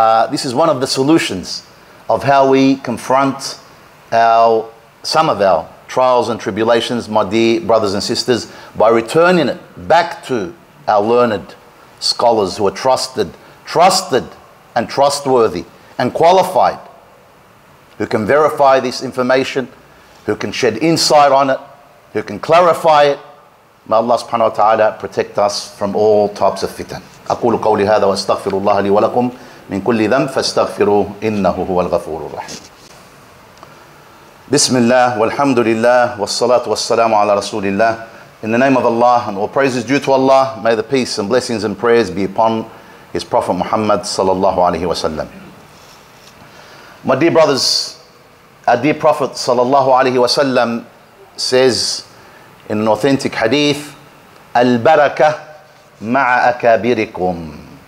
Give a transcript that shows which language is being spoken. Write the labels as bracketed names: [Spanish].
[English] This is one of the solutions of how we confront some of our trials and tribulations, my dear brothers and sisters, by returning it back to our learned scholars who are trusted and trustworthy and qualified, who can verify this information, who can shed insight on it, who can clarify it, May Allah subhanahu wa ta'ala protect us from all types of fitan. [Arabic] أقول قولي هذا واستغفر الله لي ولكم من كل ذنب فاستغفروا إنه هو الغفور الرحيم. بسم الله والحمد لله والصلاة والسلام على رسول الله. [English] In the name of Allah and all praises due to Allah, may the peace and blessings and prayers be upon His Prophet Muhammad sallallahu alaihi wasallam. My dear brothers, our dear Prophet sallallahu alaihi wasallam says in an authentic hadith, [Arabic] البركة مع أكابركم.